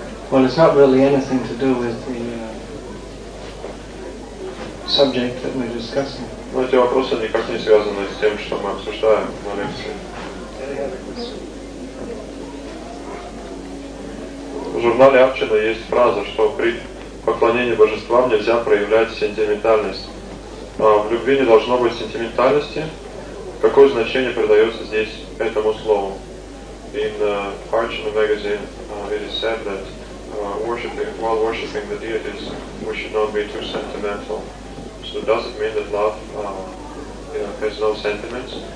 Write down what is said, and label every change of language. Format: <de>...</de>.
<en>Well, it's not really anything to do with the subject that we're discussing.</en> <ru>Но эти вопросы никак не связаны с тем, что мы обсуждаем на лекции. В журнале Арчина есть фраза, что при поклонении божествам нельзя проявлять сентиментальность. А в любви не должно быть сентиментальности. Какое значение придается здесь этому слову?</ru> <en>In Arjuna magazine, it is said that while worshipping the deities, we should not be too sentimental. So does it mean that love has no sentiments?</en>